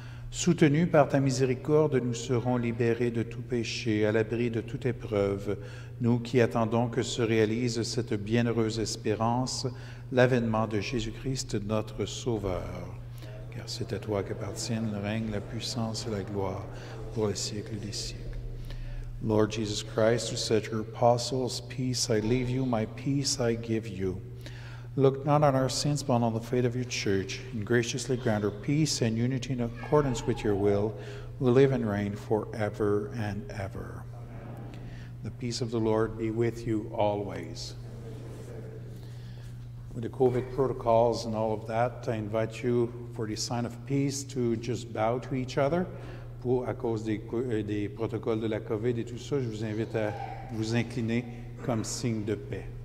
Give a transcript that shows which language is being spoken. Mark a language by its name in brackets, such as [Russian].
[French] Soutenus par ta miséricorde, nous serons libérés de tout péché, à l'abri de toute épreuve. Nous qui attendons que se réalise cette bienheureuse espérance, l'avènement de Jésus-Christ, notre Sauveur. Car c'est à toi qu'appartiennent le règne, la puissance et la gloire pour les siècles des siècles. [English] Lord Jesus Christ, who said to your apostles, Peace I leave you, my peace I give you. Look not on our sins, but on the faith of your church, and graciously grant her peace and unity in accordance with your will, who live and reign forever and ever. Amen. The peace of the Lord be with you always. With the COVID protocols and all of that, I invite you for the sign of peace to just bow to each other. [French] Pour à cause des protocoles de la COVID et tout ça, je vous invite à vous incliner comme signe de paix.